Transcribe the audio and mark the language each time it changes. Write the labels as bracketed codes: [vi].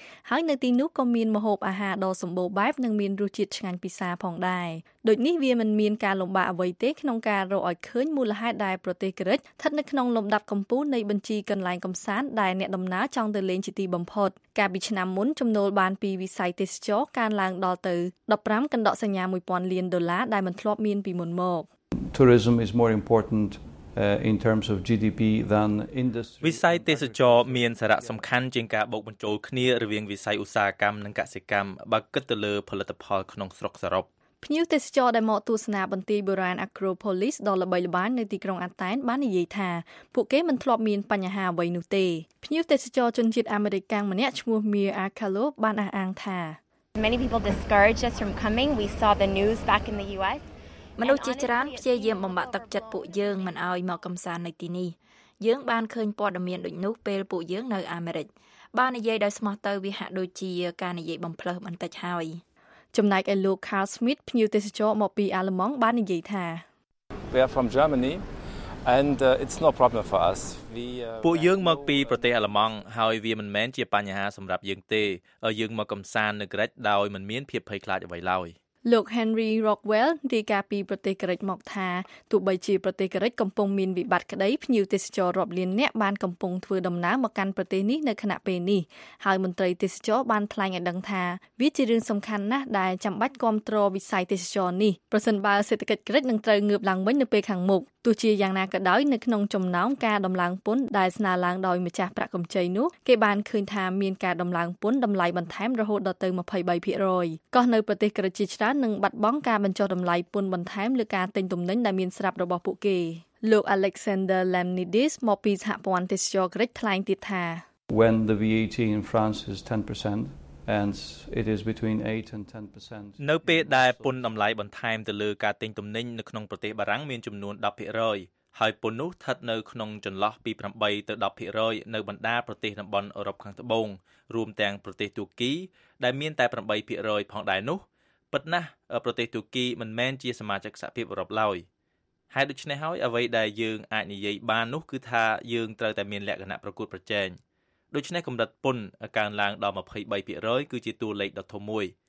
[km] ហើយនៅទីនោះក៏មានម្ហូបអាហារដ៏សម្បូរបែបនិងមានរសជាតិឆ្ងាញ់ពិសាផងដែរដូចនេះវាមិនមានការលំបាកអ្វីទេក្នុងការរកឲ្យឃើញមូលហេតុដែលប្រទេសក្រិចស្ថិតនៅក្នុងលំដាប់កំពូលនៃបញ្ជីកន្លែងកំសាន្តដែលអ្នកដំណើរចង់ទៅលេងជាទីបំផុតកាលពីឆ្នាំមុនចំនួនបានពីវិស័យទេសចរកើនឡើងដល់ទៅ15កណ្ដកសញ្ញា1000លានដុល្លារដែលមិនធ្លាប់មានពីមុនមក [en] Tourism is more important in terms of GDP than industry [km] វិស័យទេសចរមានសារៈសំខាន់ជាងការបូកបញ្ចូលគ្នារវាងវិស័យឧស្សាហកម្មនិងកសិកម្មបើគិតទៅលើផលិតផលក្នុងស្រុកសរុប ភ្ញៀវទេសចរដែលមកទស្សនាបន្ទាយបុរាណ Acropolis ដ៏ល្បីល្បាញនៅទីក្រុងអាតែនបាននិយាយថាពួកគេមិនធ្លាប់មានបញ្ហាអ្វីនោះទេភ្ញៀវទេសចរជនជាតិអាមេរិកកាំងម្នាក់ឈ្មោះ Mia Akalo បានអះអាងថា [en] Many people discouraged us from coming we saw the news back in the US [km] មនុស្សជាច្រើនព្យាយាមបំបាក់ទឹកចិត្តពួកយើងមិនឲ្យមកកំសាន្តនៅទីនេះយើងបានឃើញព័ត៌មានដូចនោះពេលពួកយើងនៅអាមេរិកបាននិយាយដោយស្មោះទៅវាហាក់ដូចជាការនិយាយបំផ្លើសបន្តិចហើយចំណែកឯលោក Carl Smith ភ្ញៀវទេសចរមកពីអាល្លឺម៉ង់បាននិយាយថា [en] We are from Germany and it's no problem for us. [km] ពួកយើងមកពីប្រទេសអាល្លឺម៉ង់ហើយវាមិនមែនជាបញ្ហាសម្រាប់យើងទេយើងមកកំសាន្តនៅក្រិចដោយមិនមានភាពភ័យខ្លាចអ្វីឡើយ លោក Henry Rockwell រាយការណ៍ពីប្រទេសក្រិចមកថាទោះបីជាប្រទេសក្រិចកំពុងមានវិបត្តិក្តីភ្ញៀវទេសចររាប់លានអ្នកបានកំពុងធ្វើដំណើរមកកាន់ប្រទេសនេះនៅក្នុងពេលនេះ ហើយមន្ត្រីទេសចរបានថ្លែងឲ្យដឹងថាវាជារឿងសំខាន់ណាស់ដែលចាំបាច់គ្រប់គ្រងវិស័យទេសចរនេះប្រសិនបើសេដ្ឋកិច្ចក្រិចនឹងត្រូវងើបឡើងវិញនៅពេលខាងមុខទោះជាយ៉ាងណាក៏ដោយនៅក្នុងចំណោមការដំឡើងពន្ធដែលស្នើឡើងដោយម្ចាស់ប្រាក់កម្ចីនោះគេបានឃើញថាមានការដំឡើងពន្ធតម្លៃបន្ថែមរហូតដល់ទៅ 23% ក៏នៅប្រទេសក្រិចជាច្រើននឹងបាត់បង់ការបញ្ចុះតម្លៃពន្ធបន្ថែមលើការទិញទំនិញដែលមានស្រាប់របស់ពួកគេលោក Alexander Lamnidis មកពីសហព័ន្ធទេសចរក្រិចថ្លែងទៀតថា [en] When the VAT in France is 10%And it is between 8-10%. [km] នៅពេលដែលពន្ធតម្លៃបន្ថែមទៅលើការទិញទំនិញនៅក្នុងប្រទេសបារាំងមានចំនួន 10% ហើយពន្ធនោះស្ថិតនៅក្នុងចន្លោះពី 8-10% នៅបណ្ដាប្រទេសតំបន់អឺរ៉ុបខាងត្បូងរួមទាំងប្រទេសទួរគីដែលមានតែ 8% ផងដែរនោះពិតណាស់ប្រទេសទួរគីមិនមែនជាសមាជិកសហភាពអឺរ៉ុបឡើយហេតុដូច្នេះហើយអ្វីដែលយើងអាចនិយាយបាននោះគឺថាយើងត្រូវតែមានលក្ខណៈប្រកួតប្រជែងដូច្នេះកម្រិតពន្ធកើនឡើងដល់ 23% គឺជាតួលេខដ៏ធំមួយ